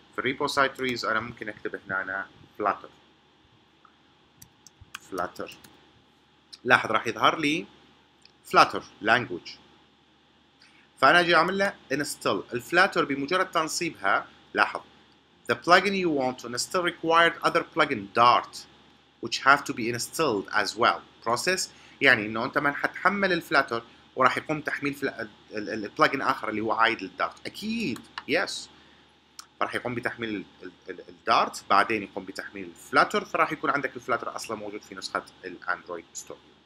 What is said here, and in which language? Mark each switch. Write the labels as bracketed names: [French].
[Arabic] Repositories أنا ممكن أكتب هنا أنا Flutter. Flutter. لاحظ راح يظهر لي Flutter language. فأنا أجي أعمل له install. الفلاتر بمجرد تنصيبها لاحظ [English] the plugin you want to install required other plugin Dart which have to be installed as well. [Arabic] Process يعني انه انت ما حتحمل الفلاتر وراح يقوم تحميل البلجن اخر اللي هو عايد للدارت. اكيد يس راح يقوم بتحميل الدارت بعدين يقوم بتحميل الفلاتر، فراح يكون عندك الفلاتر اصلا موجود في نسخه الاندرويد ستور.